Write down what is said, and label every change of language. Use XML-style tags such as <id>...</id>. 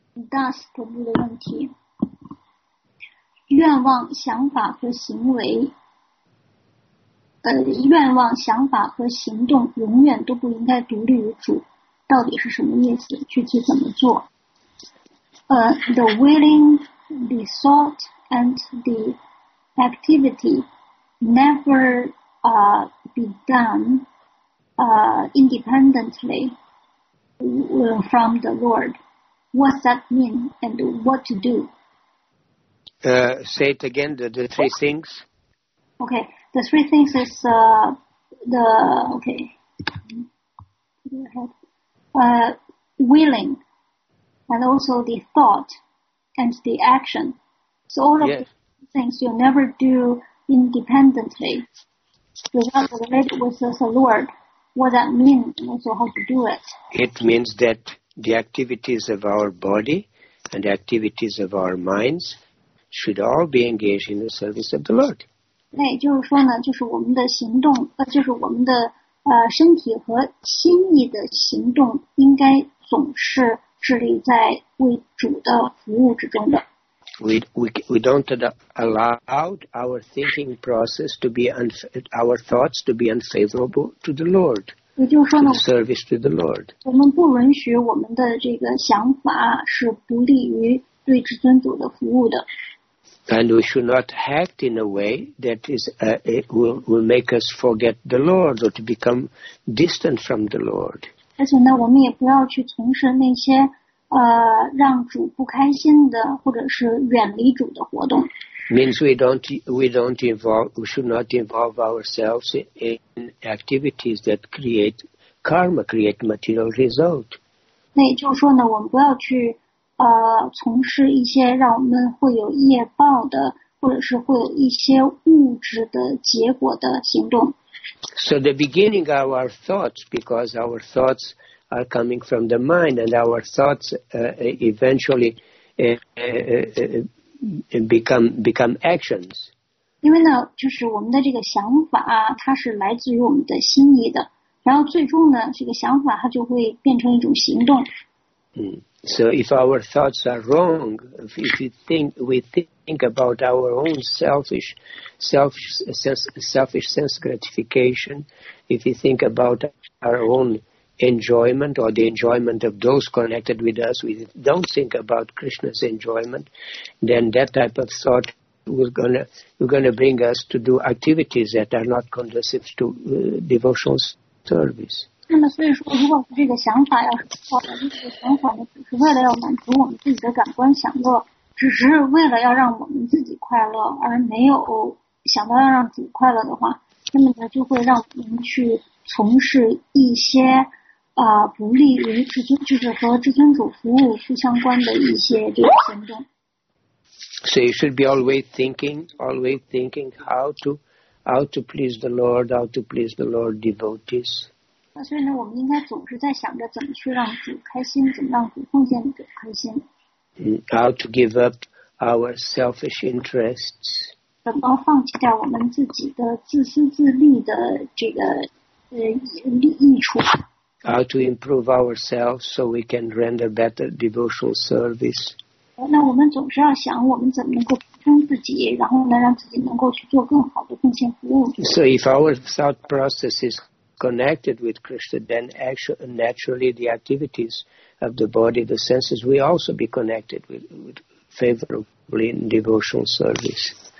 <zh>Dust 的问题，愿望、想法和行为，愿望、想法和行动永远都不应该独立于主，到底是什么意思？具体怎么做？</zh> <en>The willing, the thought, and the activity never. Be done independently from the Lord. What does that mean and what to do? Say it again, the three things. Okay, the three things is willing and also the thought and the action. So all of these things you never do independently. With the Lord, what that means and also how to do it. It means that the activities of our body and the activities of our minds should all be engaged in the service of the Lord.</en> <zh>那也就是说呢，就是我们的行动，就是我们的身体和心意的行动应该总是致力在为主的服务之中的。</zh> <en>We don't allow our thinking process to be our thoughts to be unfavorable to the Lord.</en> <zh>也就是说呢</zh> <en>to service to the Lord.</en> <zh>我们不允许我们的这个想法是不利于对至尊主的服务的。</zh> <en>And we should not act in a way that is it will make us forget the Lord or to become distant from the Lord.</en> <zh>而且呢，我们也不要去从事那些。让主不开心的，或者是远离主的活动。</zh> <en>Means we should not involve ourselves in activities that create karma, create material result.</en> <zh>那也就是说呢，我们不要去从事一些让我们会有业报的，或者是会有一些物质的结果的行动。</zh> <en>So the beginning are our thoughts, because our thoughts. Are coming from the mind, and our thoughts eventually become actions.</en> <zh>因为呢，就是我们的这个想法，它是来自于我们的心意的。然后最终呢，这个想法它就会变成一种行动。</zh> <en>So if our thoughts are wrong, if we think about our own selfish sense gratification, if we think about our own. Enjoyment or the enjoyment of those connected with us, we don't think about Krishna's enjoyment, then that type of thought is going to bring us to do activities that are not conducive to devotional service.</en> <zh>那么所以说，如果这个想法要是错的，这个想法呢，只是为了要满足我们自己的感官享乐，只是为了要让我们自己快乐，而没有想到要让主快乐的话，那么呢，就会让我们去从事一些。不利于至尊，就是和至尊主服务不相关的一些这个行动。</zh> <en>So you should be always thinking how to please the Lord, how to please the Lord devotees.</en> <zh>那所以呢，我们应该总是在想着怎么去让主开心，怎么让主奉献者开心。</zh> <en>how to give up our selfish interests.</en> <zh>怎么放弃掉我们自己的自私自利的这个益处。</zh> <en>How to improve ourselves so we can render better devotional service.</en> <zh>那我们总是要想我们怎么能够提升自己，然后能让自己能够去做更好的奉献服务。</zh> <en>So if our thought process is connected with Krishna, then actually, naturally the activities of the body, the senses, will also be connected with favorably in devotional service.</en>